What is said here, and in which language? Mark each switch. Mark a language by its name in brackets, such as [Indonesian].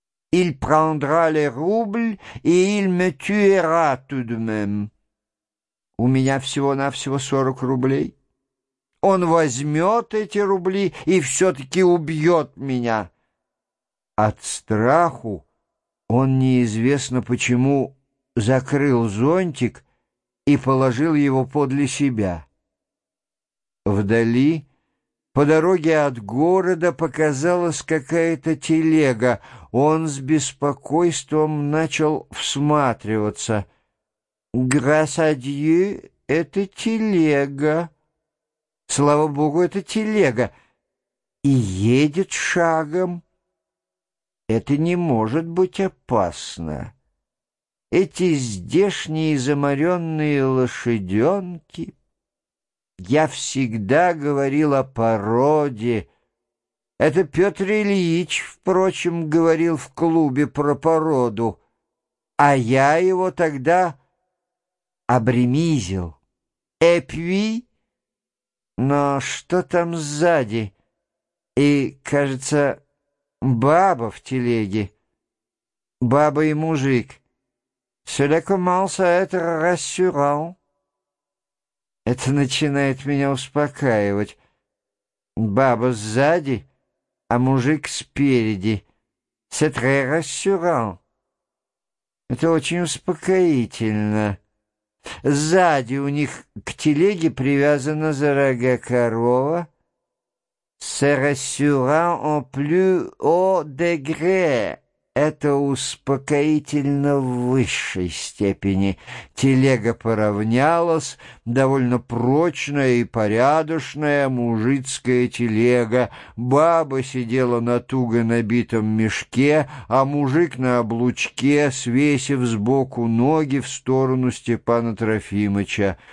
[French] Il prendra les roubles et il me tuera tout de même. [Russian] У меня всего-навсего 40 рублей. Он возьмет эти рубли и все-таки убьет меня. От страху он неизвестно почему закрыл зонтик и положил его подле себя. Вдали, по дороге от города, показалась какая-то телега. Он с беспокойством начал всматриваться. [French] «Grâce à Dieu, [Russian] это телега. Слава Богу, это телега. И едет шагом. Это не может быть опасно. Эти здешние заморенные лошаденки. Я всегда говорил о породе. Это Петр Ильич, впрочем, говорил в клубе про породу. А я его тогда обремизил. Эпви? Но что там сзади? И, кажется, баба в телеге. Баба и мужик. [French] Cela commence à être rassurant. [Russian] Это начинает меня успокаивать. Баба сзади, а мужик спереди. [French] C'est très rassurant. [Russian] Это очень успокоительно. Сзади у них к телеге привязана за рога корова. [French] C'est rassurant en plus haut degré. [Russian] Это успокоительно в высшей степени. Телега поравнялась, довольно прочная и порядочная мужицкая телега. Баба сидела на туго набитом мешке, а мужик на облучке, свесив сбоку ноги в сторону Степана Трофимыча.